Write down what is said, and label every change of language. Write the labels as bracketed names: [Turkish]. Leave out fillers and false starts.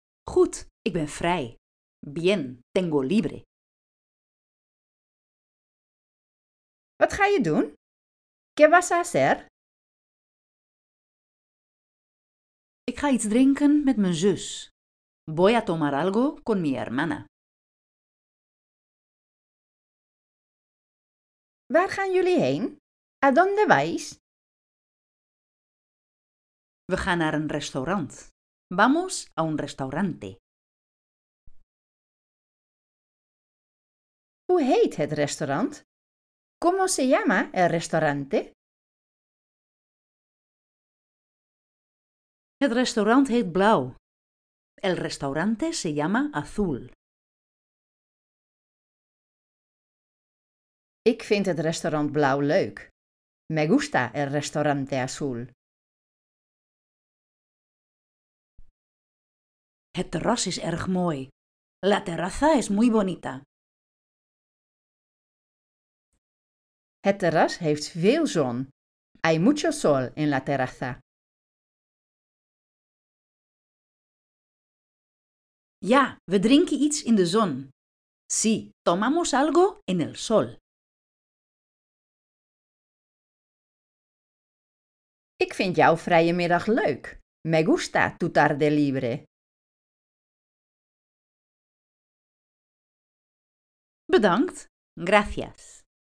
[Dutch] Goed, ik ben vrij. [Spanish] Bien, tengo libre. [Dutch] Wat ga je doen? [Spanish] ¿Qué vas a hacer? [Dutch] Ik ga iets drinken met mijn zus. [Spanish] Voy a tomar algo con mi hermana. [Dutch] Waar gaan jullie heen? [Spanish] ¿A dónde vais? [Dutch] We gaan naar een restaurant. [Spanish] Vamos a un restaurante. [Dutch] Hoe heet het restaurant? [Spanish] ¿Cómo se llama el restaurante? [Dutch] Het restaurant heet Blauw. [Spanish] El restaurante se llama Azul. [Dutch] Ik vind het restaurant Blauw leuk. [Spanish] Me gusta el restaurante Azul. [Dutch] Het terras is erg mooi. [Spanish] La terraza es muy bonita. [Dutch] Het terras heeft veel zon. [Spanish] Hay mucho sol en la terraza. [Dutch] Ja, we drinken iets in de zon. [Spanish] Sí, tomamos algo en el sol. [Dutch] Ik vind jouw vrije middag leuk. [Spanish] Me gusta tu tarde libre. [Dutch] Bedankt. [Spanish] Gracias.